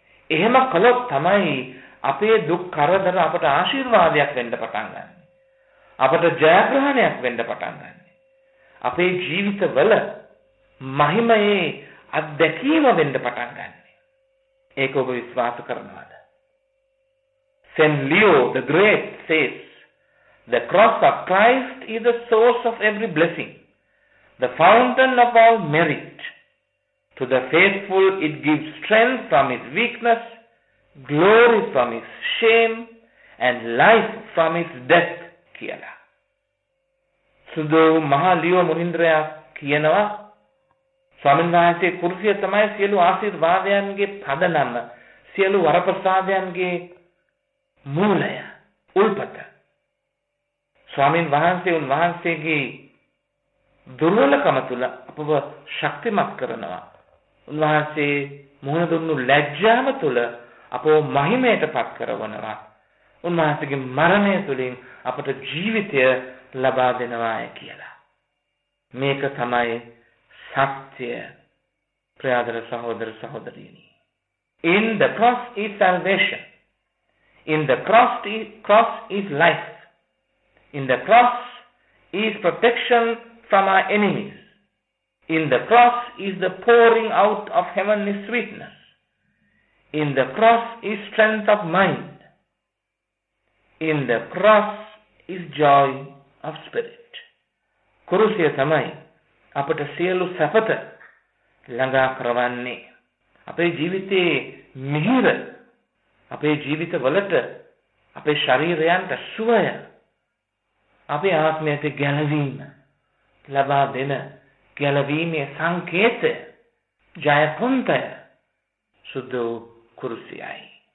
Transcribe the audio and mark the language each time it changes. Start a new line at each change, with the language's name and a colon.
Sinhala: එහෙම කළොත් තමයි අපේ දුක් කරදර අපට ආශිර්වාදයක් වෙන්න පටන් ගන්න, අපට ජයග්‍රහණයක් වෙන්න පටන් ගන්න. අපේ ජීවිතවල මහිමයේ අත්දැකීම වෙන්න පටන් ගන්න. ඒක ඔබ විශ්වාස කරනවාද?
English: Saint Leo the Great says, "The cross of Christ is the source of every blessing, the fountain of all merit. To the faithful it gives strength from his weakness, glory from his shame, and life from his death."
Sinhala: කියලා. සුදෝ මහා ලියව මුනින්ද්‍රයා කියනවා, ස්වාමීන් වහන්සේ කුරුසිය තමයි සියලු ආශිර්වාදයන්ගේ පදනම, සියලු වරප්‍රසාදයන්ගේ මූලය, උල්පත. ස්වාමීන් වහන්සේ උන්වහන්සේගේ දුර්වලකම තුළ අපව ශක්තිමත් කරනවා. උන්වහන්සේ මුහුණ දුන්නු ලැජ්ජාව තුළ අපව මහිමයට පත් කරවනවා. උන්වහන්සේගේ මරණය තුළින් අපට ජීවිතය ලබා දෙනවාය කියලා. මේක තමයි සත්‍ය. ප්‍රියදර සහෝදර සහෝදරියනි,
English: In the cross is salvation. In the cross is life. In the cross is protection from our enemies. In the cross is the pouring out of heavenly sweetness. In the cross is strength of mind. In the cross is joy of spirit.
Sinhala: කුරුසිය තමයි අපට සියලු සැපත ළඟා කරවන්නේ. අපේ ජීවිතයේ මිහිර, අපේ ජීවිතවලට, අපේ ශරීරයන්ට සුවය, අපේ ආත්මයට ගැලවීම ලබා දෙන ගැලවීමේ සංකේතය, ජයපොන්තය සුදු කුරුසියයි.